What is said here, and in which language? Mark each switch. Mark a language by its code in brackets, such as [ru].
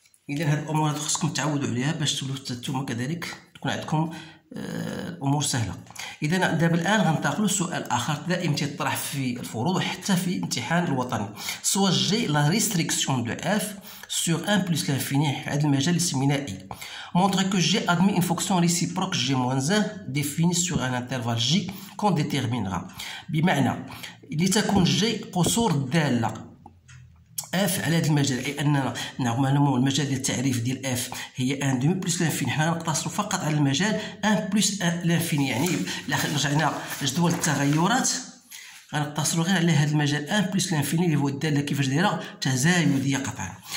[ar] إذا هاد الأمور هادو خاصكم تعودوا عليها باش تولو تانتوما كذلك تكون عندكم الأمور سهلة. إذا دابا الآن غنتقلو لسؤال آخر دائما تيطرح في الفروض وحتى في الإمتحان الوطني. [fr] سواجي لا ريستريكسيون دو إف sur 1 plus l'infini, [ar] هذا المجال اللي سميناه اي. [fr] montre que j'ai admis une fonction réciproque g moins 1 définie sur un intervalle j qu'on déterminera. [ar] بمعنى لتكون g قصور الداله اف على هذا المجال، اي اننا نورمالمون المجال ديال التعريف ديال اف هي [fr] 1 دومي بلس الانفيني، [ar] حنا نقتصروا فقط على المجال 1 بلس الانفيني. يعني الا رجعنا لجدول التغيرات غنقتصروا غير على هذا المجال [fr] ان بلس لانفيني [ar] اللي هو الداله كيفاش دايره تزايديه قطعا.